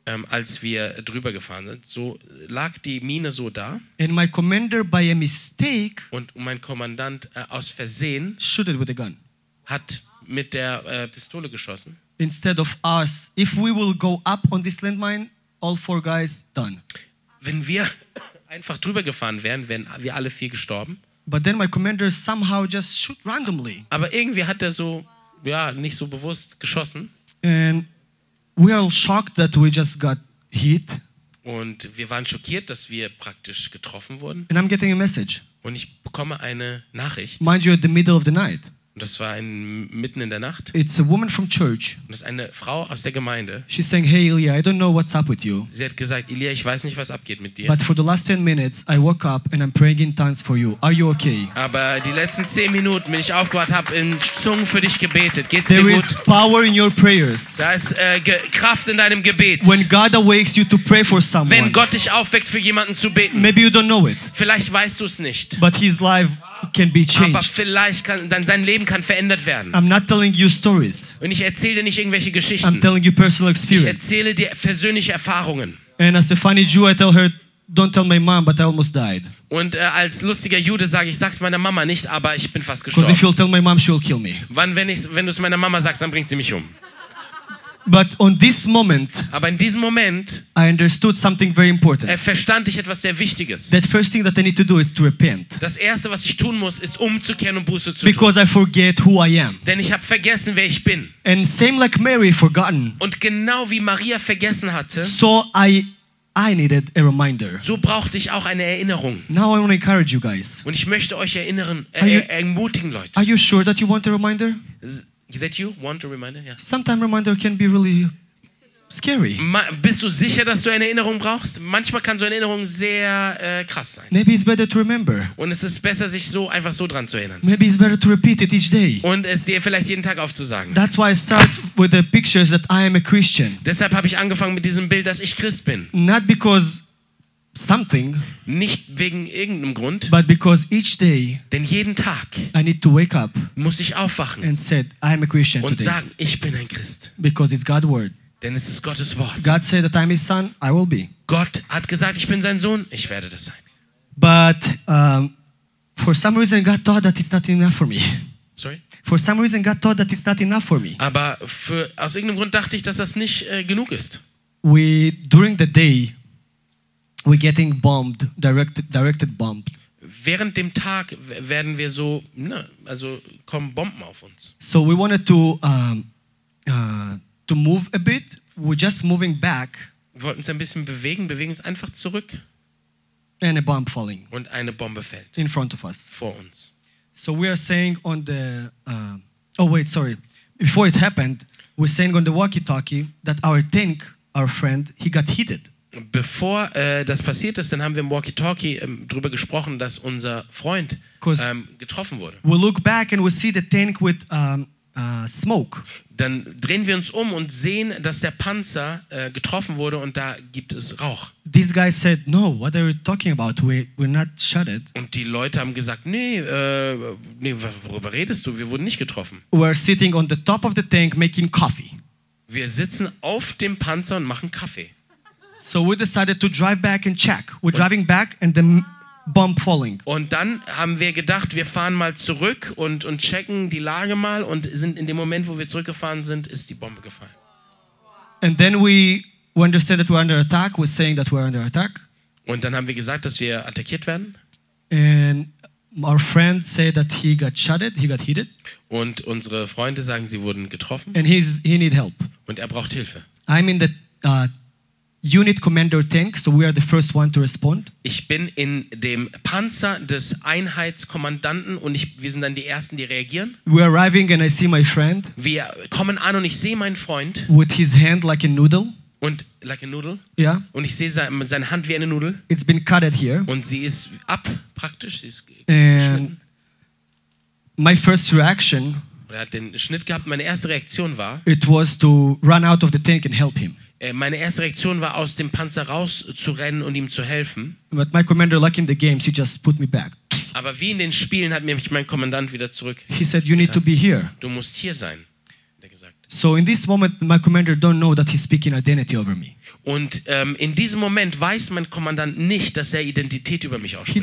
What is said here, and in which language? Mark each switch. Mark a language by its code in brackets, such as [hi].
[de] als wir drüber gefahren sind, so lag die Mine so da. [en] And my commander by a mistake, [de] und mein Kommandant aus Versehen [en] shoot it with a gun. [de] Hat mit der Pistole geschossen. [en] Instead of us, if we will go up on this landmine, all 4 guys done. [de] Wenn wir einfach drüber gefahren wären, wären wir alle 4 gestorben. [en] But then my commander somehow just shoot randomly. [de] Aber irgendwie hat er so, ja, nicht so bewusst geschossen. [en] And we are shocked that we just got hit. [de] Und wir waren schockiert, dass wir praktisch getroffen wurden. [en] And I'm getting a message. [de] Und ich bekomme eine Nachricht. [en] Mind you, at the middle of the night. [de] Und das war in, mitten in der Nacht. [en] It's a woman from church. [de] Und das ist eine Frau aus der Gemeinde. [en] She's saying, "Hey, Ilya, I don't know what's up with you." [de] Sie hat gesagt, Ilya, ich weiß nicht, was abgeht mit dir. [en] But for the last 10 minutes, I woke up and I'm praying in tongues for you. Are you okay? [de] Aber die letzten 10 Minuten, wenn ich aufgewacht habe, in Zungen für dich gebetet. Geht's [en] There [de] dir gut? [en] There is power in your prayers. [de] Da ist Kraft in deinem Gebet. [en] When God awakes you to pray for someone. [de] Wenn Gott dich aufweckt, für jemanden zu beten. [en] Maybe you don't know it. [de] Vielleicht weißt du es nicht. [en] But his life can be changed. [de] Aber vielleicht kann dann dein Leben kann verändert werden. [en] I'm not telling you stories. [de] Und ich erzähle dir nicht irgendwelche Geschichten. [en] I'm telling you personal experience. [de] Ich erzähle dir persönliche Erfahrungen. [en] And as a funny Jew, I tell her, "Don't tell my mom, but I almost died." [de] Und als lustiger Jude sage ich, sag's meiner Mama nicht, aber ich bin fast gestorben. [en] Because if you tell my mom, she'll kill me. [de] Wenn du es meiner Mama sagst, dann bringt sie mich um. [en] But on this moment, [de] aber in diesem Moment, [en] I understood something very important. [de] Verstand ich etwas sehr Wichtiges. [en] That first thing that I need to do is to repent. [de] Das erste, was ich tun muss, ist umzukehren und Buße zu [en] Because [de] tun. [en] Because I forget who I am. [de] Denn ich habe vergessen, wer ich bin. [en] And same like Mary forgotten. [de] Und genau wie Maria vergessen hatte. [en] So I needed a reminder. [de] So brauchte ich auch eine Erinnerung. [en] Now I want to encourage you guys. [de] Und ich möchte euch erinnern, ermutigen, Leute. [en] Are you sure that you want a reminder? That you want a reminder? Yeah. Sometimes reminder can be really scary. [de] Bist du sicher, dass du eine Erinnerung brauchst? Manchmal kann so eine Erinnerung sehr krass sein. [en] Maybe it's better to remember. [de] Und es ist besser, sich so einfach so dran zu erinnern. [en] Maybe it's better to repeat it each day. [de] Und es dir vielleicht jeden Tag aufzusagen. [en] That's why I start with the pictures that I am a Christian. [de] Deshalb habe ich angefangen mit diesem Bild, dass ich Christ bin. [en] Not because something. [de] Nicht wegen irgendeinem Grund. [en] But because each day. [de] Denn jeden Tag. [en] I need to wake up. [de] Muss ich aufwachen. [en] And said, "I am a Christian." [de] Und [en] today. [de] Sagen, ich bin ein Christ. [en] Because it's God's word. [de] Denn es ist Gottes Wort. [en] God said that I am His son. I will be. [de] Gott hat gesagt, ich bin sein Sohn. Ich werde das sein. [en] But for some reason, God thought that it's not enough for me. Sorry. For some reason, God thought that it's not enough for me. [de] Aber für aus irgendeinem Grund dachte ich, dass das nicht genug ist. [en] We during the day. We're getting bombed, directed bombed. [de] Während dem Tag werden wir so, ne, also kommen Bomben auf uns. [en] So we wanted to move a bit. We're just moving back. [de] Wir wollten uns ein bisschen bewegen, bewegen uns einfach zurück. [en] And a bomb falling. [de] Und eine Bombe fällt. [en] In front of us. [de] Vor uns. [en] So we are saying on the, oh wait, sorry. Before it happened, we're saying on the walkie-talkie that our tank, our friend, he got heated. [de] Bevor das passiert ist, dann haben wir im Walkie-Talkie drüber gesprochen, dass unser Freund getroffen wurde. [en] We look back and we see the tank with smoke. [de] Dann drehen wir uns um und sehen, dass der Panzer getroffen wurde und da gibt es Rauch. [en] These guys said, "No, what are you talking about? We're not shattered." [de] Und die Leute haben gesagt, nee, worüber redest du? Wir wurden nicht getroffen. [en] We're sitting on the top of the tank making coffee. [de] Wir sitzen auf dem Panzer und machen Kaffee. [en] So we decided to drive back and check. We're driving back and the bomb falling. [de] Und dann haben wir gedacht, wir fahren mal zurück und checken die Lage mal und sind in dem Moment, wo wir zurückgefahren sind, ist die Bombe gefallen. [en] And then we understood that we're under attack. We're saying that we're under attack. [de] Und dann haben wir gesagt, dass wir attackiert werden. [en] And our friend said that he got shotted, he got hit. [de] Und unsere Freunde sagen, sie wurden getroffen. [en] And he need help. [de] Und er braucht Hilfe. [en] I'm in the Unit Commander Tank, so we are the first one to respond. [de] Ich bin in dem Panzer des Einheitskommandanten und wir sind dann die Ersten, die reagieren. [en] We're arriving and I see my friend. [de] Wir kommen an und ich sehe meinen Freund. [en] With his hand like a noodle. Und like a noodle. Yeah. [de] Und ich sehe seine Hand wie eine Nudel. [en] It's been cut at here. [de] Und sie ist ab, praktisch. Sie ist geschnitten. [en] My first reaction. [de] Er hat den Schnitt gehabt. Meine erste Reaktion war. [en] It was to run out of the tank and help him. [de] Meine erste Reaktion war, aus dem Panzer rauszurennen und ihm zu helfen. [en] But my commander, like in the games, he just put me back. [de] Aber wie in den Spielen hat mich mein Kommandant wieder zurück. [en] He said, "You need to be here." [de] Du musst hier sein, hat er gesagt. [en] So in this moment, my commander don't know that he's speaking identity over me. [de] Und in diesem Moment weiß mein Kommandant nicht, dass er Identität über mich ausspricht.